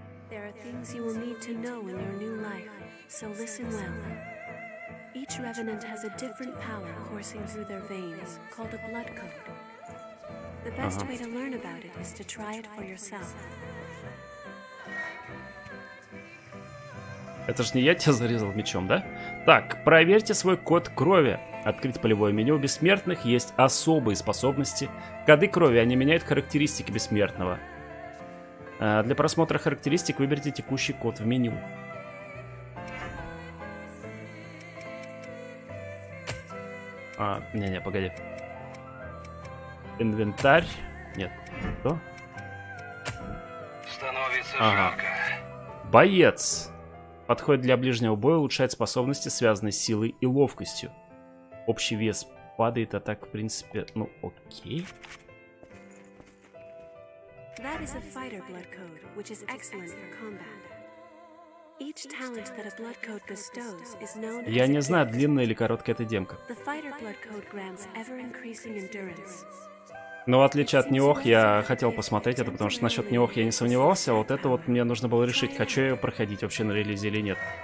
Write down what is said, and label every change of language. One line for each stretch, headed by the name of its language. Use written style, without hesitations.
English: There are things you will need to know in your new life, so listen well. Each revenant has a different power coursing through their veins, called a blood code. The best way to learn about it is to try it for yourself.
Russian: Это ж не я тебя зарезал мечом, да? Так, проверьте свой код крови. Открыть полевое меню. У бессмертных есть особые способности. Коды крови, они меняют характеристики бессмертного. Для просмотра характеристик выберите текущий код в меню. А, не-не, погоди. Инвентарь. Нет. Что? Становится жарко. Боец. Подходит для ближнего боя, улучшает способности, связанные с силой и ловкостью. Общий вес падает, а так, в принципе, ну, окей.
English: That is a fighter blood code, which is excellent for combat. Each talent that a blood code bestows is known.
Russian: Я не знаю, длинная или короткая эта демка.
English: The fighter blood code grants ever-increasing endurance.
Russian: Но в отличие от Неох, я хотел посмотреть это, потому что насчет Неох я не сомневался, а вот это вот мне нужно было решить, хочу я проходить вообще на релизе или нет.